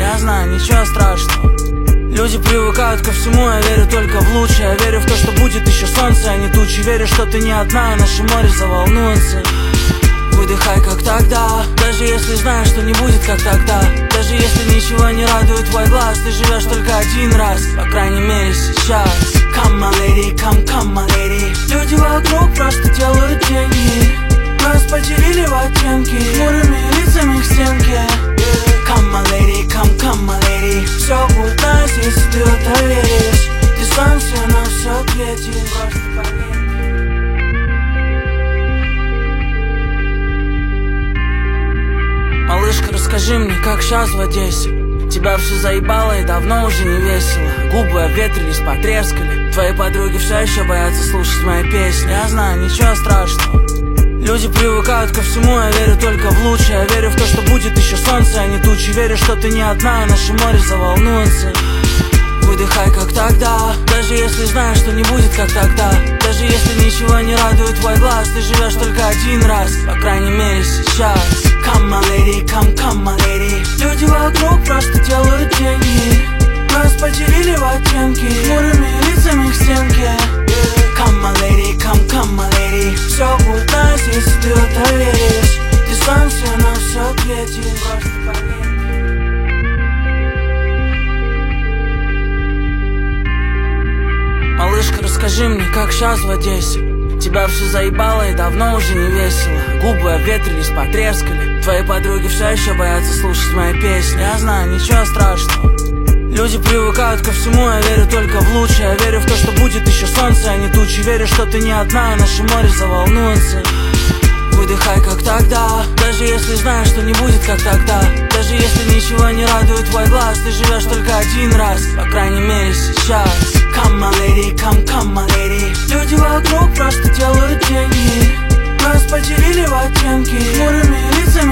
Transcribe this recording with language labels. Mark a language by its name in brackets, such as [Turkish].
[Russian] Я знаю, ничего страшного. Люди привыкают ко всему, я верю только в лучшее. Я верю в то, что будет еще солнце, а не тучи. Верю, что ты не одна, и наше море заволнуется. Выдыхай, как тогда. Даже если знаешь, что не будет, как тогда. Даже если ничего не радует твой глаз. Ты живешь только один раз, по крайней мере сейчас. [English] Come, my lady, come, come, my lady. [Russian] Люди вокруг просто делают деньги. Нас поделили в оттенки. Хмурыми лицами к стенке. [English] Come, my lady, come, come, my lady. [Russian] Все будет [English] nice, [Russian] если ты в это веришь. Дистанция на все ответит. Просто поверь. Малышка, расскажи мне, как сейчас в Одессе? Тебя все заебало и давно уже не весело. Губы обветрились, потрескали. Твои подруги все еще боятся слушать мои песни. Я знаю, ничего страшного. Люди привыкают ко всему, я верю только в лучшее. Я верю в то, что будет еще солнце, а не тучи. Верю, что ты не одна, и наше море заволнуется. Выдыхай, как тогда. Даже если знаешь, что не будет, как тогда. Даже если ничего не радует твой глаз. Ты живешь только один раз, по крайней мере сейчас. [English] Come, my lady, come, come, my lady. [Russian] Люди вокруг просто делают деньги. Нас поделили в оттенки. Хмурыми лицами к стенке. [English] Come, my lady, come, come, my lady. [Russian] Все будет [English] nice, [Russian] если ты в это веришь. Дистанция на все ответит. Просто поверь. Малышка, расскажи мне, как сейчас в Одессе? Тебя все заебало и давно уже не весело. Губы обветрились, потрескали. Твои подруги все еще боятся слушать мои песни. Я знаю, ничего страшного. Люди привыкают ко всему, я верю только в лучшее. Я верю в то, что будет еще солнце, а не тучи. Верю, что ты не одна, и наше море заволнуется. Выдыхай, как тогда. Даже если знаешь, что не будет, как тогда. Даже если ничего не радует твой глаз. Ты живешь только один раз, по крайней мере сейчас. [English] Come, my lady, come, come, my lady. [Russian] Люди вокруг просто делают деньги. Нас поделили в оттенки. Хмурыми лицами.